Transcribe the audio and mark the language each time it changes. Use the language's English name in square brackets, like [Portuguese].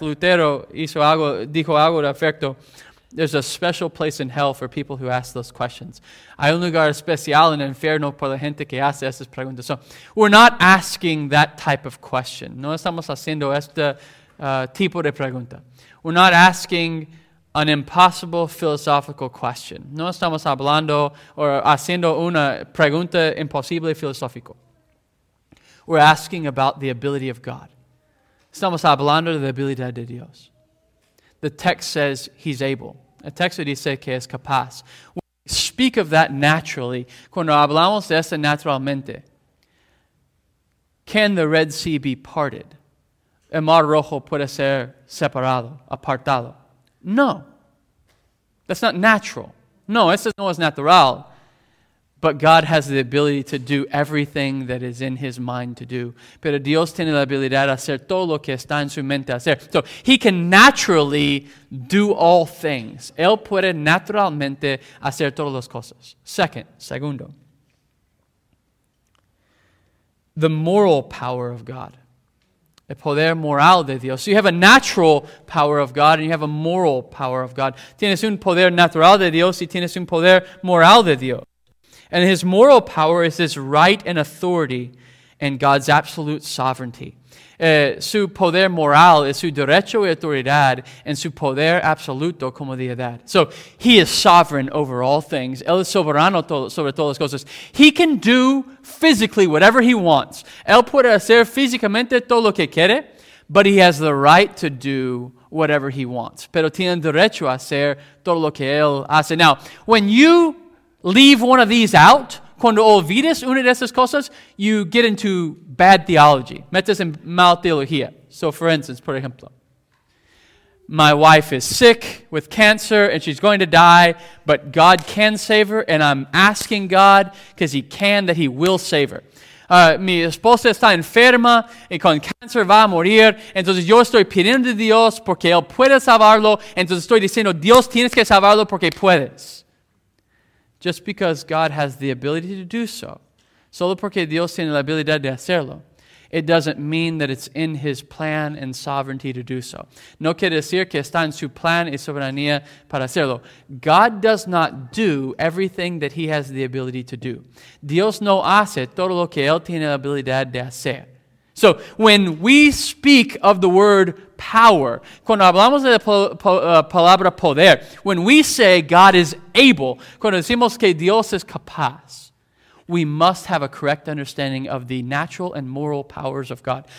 [Spanish] Lutero hizo algo, dijo algo de efecto. [English] There's a special place in hell for people who ask those questions. [Spanish] Hay un lugar especial en el infierno para la gente que hace esas preguntas. [English] So, we're not asking that type of question. [Spanish] No estamos haciendo este tipo de pregunta. [English] We're not asking an impossible philosophical question. [Spanish] No estamos hablando o haciendo una pregunta imposible filosófico. [English] We're asking about the ability of God. [Spanish] Estamos hablando de la habilidad de Dios. [English] The text says he's able. [Spanish] El texto dice que es capaz. [English] We speak of that naturally. [Spanish] Cuando hablamos de eso naturalmente, [English] can the Red Sea be parted? [Spanish] El Mar Rojo puede ser separado, apartado. [English] No. That's not natural. [Spanish] No, eso no es natural. [English] But God has the ability to do everything that is in his mind to do. [Spanish] Pero Dios tiene la habilidad de hacer todo lo que está en su mente hacer. [English] So he can naturally do all things. [Spanish] Él puede naturalmente hacer todas las cosas. Segundo. [English] The moral power of God. [Spanish] El poder moral de Dios. [English] So you have a natural power of God and you have a moral power of God. [Spanish] Tienes un poder natural de Dios y tienes un poder moral de Dios. [English] And his moral power is his right and authority and God's absolute sovereignty. [Spanish] Su poder moral es su derecho y autoridad and su poder absoluto como deidad. [English] So he is sovereign over all things. [Spanish] Él es soberano sobre todas las cosas. [English] He can do physically whatever he wants. [Spanish] Él puede hacer físicamente todo lo que quiere, [English] but he has the right to do whatever he wants. [Spanish] Pero tiene derecho a hacer todo lo que él hace. [English] Now, when you leave one of these out, [Spanish] cuando olvides una de esas cosas, [English] you get into bad theology. [Spanish] Metes en mal teología. [English] So for instance, [Spanish] por ejemplo, [English] my wife is sick with cancer and she's going to die, but God can save her and I'm asking God because he can that he will save her. [Spanish] Mi esposa está enferma y con cáncer va a morir. Entonces yo estoy pidiendo a Dios porque él puede salvarlo. Entonces estoy diciendo, Dios tienes que salvarlo porque puedes. [English] Just because God has the ability to do so, [Spanish] solo porque Dios tiene la habilidad de hacerlo, [English] it doesn't mean that it's in his plan and sovereignty to do so. [Spanish] No quiere decir que está en su plan y soberanía para hacerlo. [English] God does not do everything that he has the ability to do. [Spanish] Dios no hace todo lo que él tiene la habilidad de hacer. [English] So when we speak of the word power, [Spanish] cuando hablamos de la palabra poder, [English] when we say God is able, [Spanish] cuando decimos que Dios es capaz, [English] we must have a correct understanding of the natural and moral powers of God.